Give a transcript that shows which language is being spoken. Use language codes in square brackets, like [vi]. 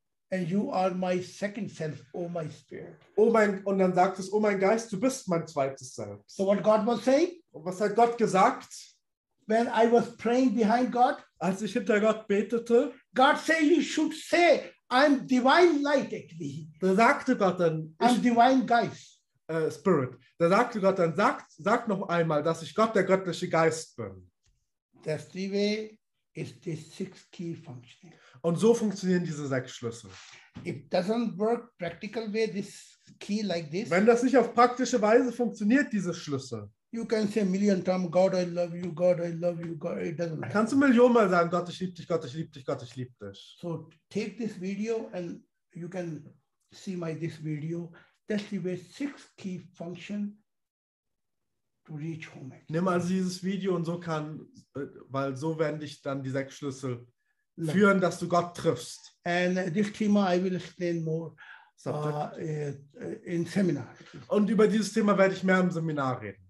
[en] And you are my second self, oh my spirit. [de] Oh mein, und dann sagt es, oh mein Geist, du bist mein zweites Selbst. [en] So what God was saying? [de] Und was hat Gott gesagt? [en] When I was praying behind God. [de] Als ich hinter Gott betete. [en] God say you should say, I'm divine light actually. [de] Da sagte Gott dann. [en] I'm divine Geist. Spirit. [de] Da sagte Gott dann, sag noch einmal, dass ich Gott, der göttliche Geist bin. [en] That's the way is the six key functioning. [de] Und so funktionieren diese sechs Schlüssel. [en] It doesn't work practical way, this key like this. [de] Wenn das nicht auf praktische Weise funktioniert, diese Schlüssel. [en] You can say a million times, God, I love you, God, I love you, God, it doesn't matter. [de] Kannst du Millionen Mal sagen, Gott, ich liebe dich, Gott, ich liebe dich, Gott, ich liebe dich. [en] So take this video and you can see my this video. That's the way six key function to reach home. Actually. [de] Nimm also dieses Video und so kann, weil so werden dich dann die sechs Schlüssel führen, dass du Gott triffst. [en] And this thema I will explain more in seminar. [de] Und über dieses Thema werde ich mehr im Seminar reden.